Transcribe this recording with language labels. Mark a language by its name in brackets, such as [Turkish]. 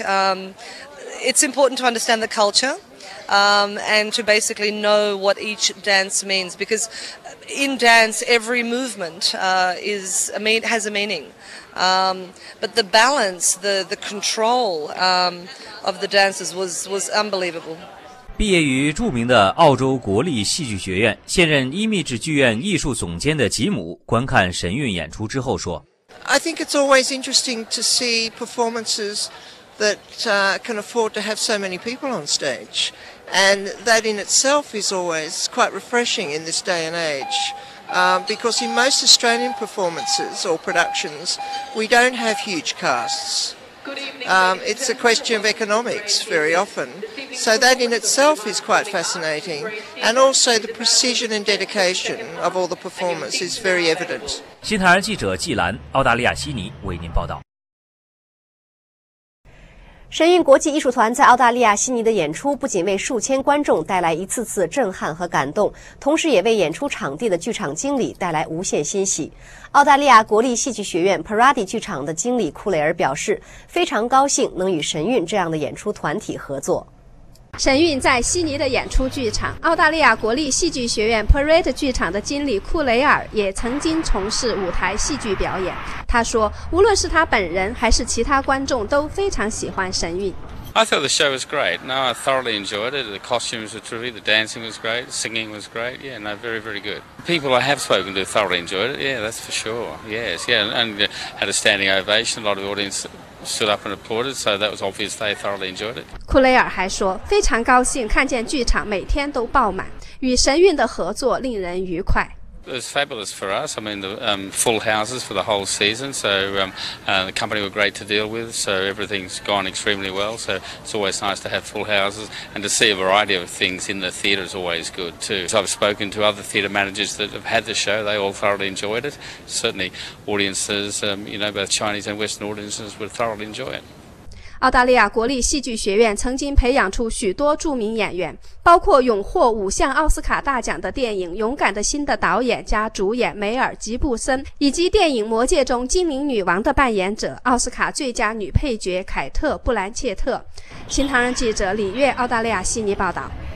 [English] It's important to understand the culture and to basically know what each dance means, because in dance, every movement has a meaning. But the balance, the control of the dancers was unbelievable. [Chinese] 毕业于著名的澳洲国立戏剧学院，现任伊密制剧院艺术总监的吉姆观看神韵演出之后说 [English] I think it's always interesting to see performances that can afford to have so many people on stage. And that in itself is always quite refreshing in this day and age. Because in most Australian performances or productions, we don't have huge casts. It's a question of economics very often. So that in itself is quite fascinating. And also the precision and dedication of all the performers is very evident. [Chinese] 新唐人记者纪兰，澳大利亚悉尼为您报道。神韵国际艺术团在澳大利亚悉尼的演出不仅为数千观众带来一次次震撼和感动，同时也为演出场地的剧场经理带来无限欣喜。澳大利亚国立戏剧学院 Paradi 剧场的经理库雷尔表示，非常高兴能与神韵这样的演出团体合作。神韵在悉尼的演出剧场，澳大利亚国立戏剧学院 Parade 剧场的经理库雷尔也曾经从事舞台戏剧表演。他说，无论是他本人还是其他观众都非常喜欢神韵。 [English] I thought the show was great. No, I thoroughly enjoyed it. The costumes were terrific. The dancing was great. Singing was great. Yeah, no, very, very good. People I have spoken to thoroughly enjoyed it. Yeah, that's for sure. Yes, yeah, and had a standing ovation. A lot of the audience stood up and applauded, so that was obvious they thoroughly enjoyed it. [Chinese] 库雷尔还说，非常高兴看见剧场每天都爆满，与神韵的合作令人愉快。 [English] It was fabulous for us. I mean, the full houses for the whole season, so the company were great to deal with, so everything's gone extremely well, so it's always nice to have full houses, and to see a variety of things in the theatre is always good too. So I've spoken to other theatre managers that have had the show, they all thoroughly enjoyed it. Certainly audiences, both Chinese and Western audiences would thoroughly enjoy it. [Chinese] 澳大利亚国立戏剧学院曾经培养出许多著名演员，包括勇获五项奥斯卡大奖的电影《勇敢的心》的导演加主演梅尔·吉布森，以及电影《魔戒》中精灵女王的扮演者奥斯卡最佳女配角凯特·布兰切特。新唐人记者李月，澳大利亚悉尼报道。